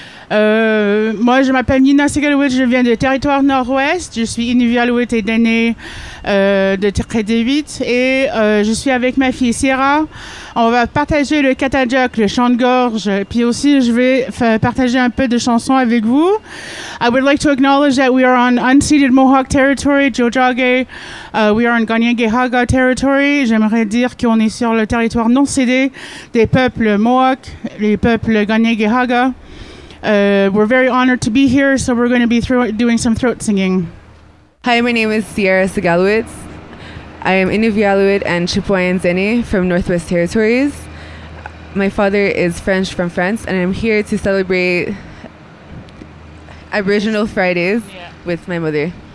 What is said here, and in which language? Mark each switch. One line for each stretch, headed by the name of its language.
French: Moi, je m'appelle Nina Segalowitz, je viens du territoire nord-ouest, je suis Inuvialuit et Dene de Tikredevit, et je suis avec ma fille Sierra. On va partager le katajak, le chant de gorge, puis aussi je vais partager un peu de chansons avec vous.
English: I would like to acknowledge that we are on unceded Mohawk territory, Jojage. We are on Ganyangehaga territory.
French: J'aimerais dire qu'on est sur le territoire non cédé des peuples Mohawk, les peuples Ganyangehaga.
English: We're very honored to be here, so we're going to be doing some throat singing. Hi, my name is Sierra Segalowitz. I am Inuvialuit and Chipweyan Zene from Northwest Territories. My father is French from France, and I'm here to celebrate Aboriginal Fridays with my mother.